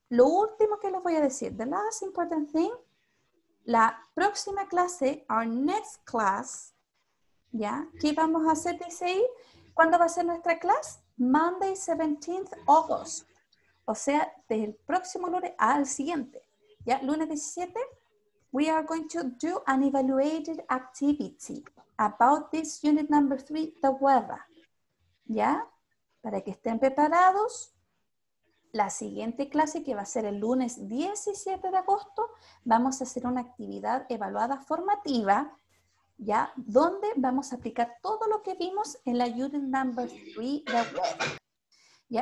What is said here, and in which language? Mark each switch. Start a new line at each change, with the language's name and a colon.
Spanish: Lo último que les voy a decir,
English: the last important thing,
Spanish: la próxima clase,
English: our next class,
Spanish: ¿ya? ¿Qué vamos a hacer, dice ahí? ¿Cuándo va a ser nuestra clase?
English: Monday, 17th August.
Spanish: O sea, desde el próximo lunes al siguiente. ¿Ya? Lunes 17.
English: We are going to do an evaluated activity about this unit number 3, the weather.
Spanish: ¿Ya? Para que estén preparados. La siguiente clase, que va a ser el lunes 17 de agosto, vamos a hacer una actividad evaluada formativa. ¿Ya? Donde vamos a aplicar todo lo que vimos en la
English: unit number 3, the weather.
Spanish: ¿Ya?